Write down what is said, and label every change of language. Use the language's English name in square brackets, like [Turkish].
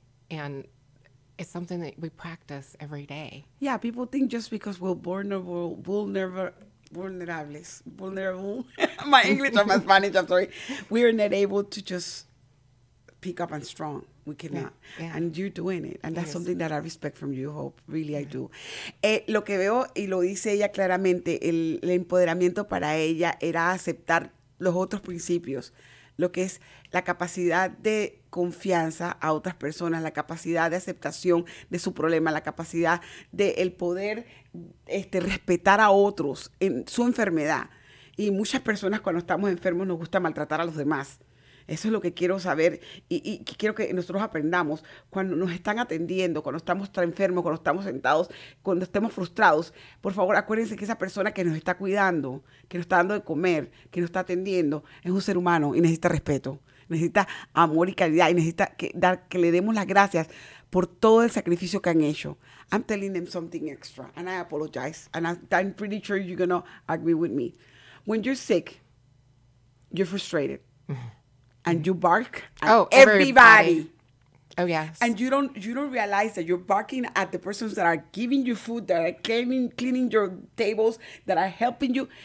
[English] And it's something that we practice every day. Yeah, people think just because we're born, vulnerable. My English or my Spanish, I'm sorry. We are not able to just pick up and strong. We cannot. Yeah. And you're doing it. And that's something that I respect from you, Hope. Really, yeah. I do. [Spanish] Lo que veo, y lo dice ella claramente, el empoderamiento para ella era aceptar los otros principios. Lo que es la capacidad de confianza a otras personas, la capacidad de aceptación de su problema, la capacidad de el poder respetar a otros en su enfermedad. Y muchas personas cuando estamos enfermos nos gusta maltratar a los demás. Eso es lo que quiero saber y quiero que nosotros aprendamos. Cuando nos están atendiendo, cuando estamos tan enfermos, cuando estamos sentados, cuando estemos frustrados, por favor acuérdense que esa persona que nos está cuidando, que nos está dando de comer, que nos está atendiendo, es un ser humano y necesita respeto. Necesita amor y caridad y necesita que le demos las gracias por todo el sacrificio que han hecho. [English] I'm telling them something extra and I apologize and I'm pretty sure you're going to agree with me. When you're sick, you're frustrated. And you bark at everybody. Oh, yes. And you don't realize that you're barking at the persons that are giving you food, that are cleaning your tables, that are helping you.